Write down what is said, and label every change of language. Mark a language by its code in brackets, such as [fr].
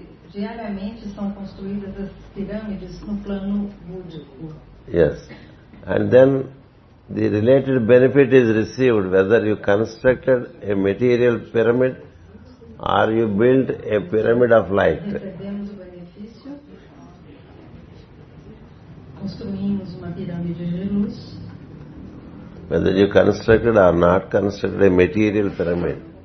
[pt] Diariamente são construídas as pirâmides no plano búdico. [en] Yes. And then the related benefit is received whether you constructed a material pyramid or you built a pyramid of light. [pt] Recebemos o benefício, construímos uma pirâmide de luz. [en] Whether you constructed or not constructed a material pyramid.